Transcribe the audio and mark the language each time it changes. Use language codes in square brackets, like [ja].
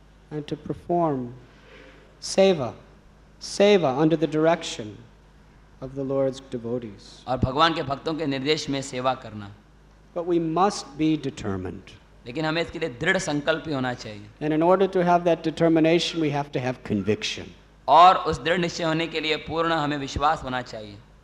[en] And to perform seva under the direction of the Lord's devotees. [hi] और भगवान के भक्तों के निर्देश में सेवा करना. [en] But we must be determined. [hi] लेकिन हमें इसके लिए दृढ़ संकल्प ही होना चाहिए. [en] And in order to have that determination, we have to have conviction. [hi] और उस दृढ़ निश्चय होने के लिए पूर्ण हमें विश्वास होना चाहिए.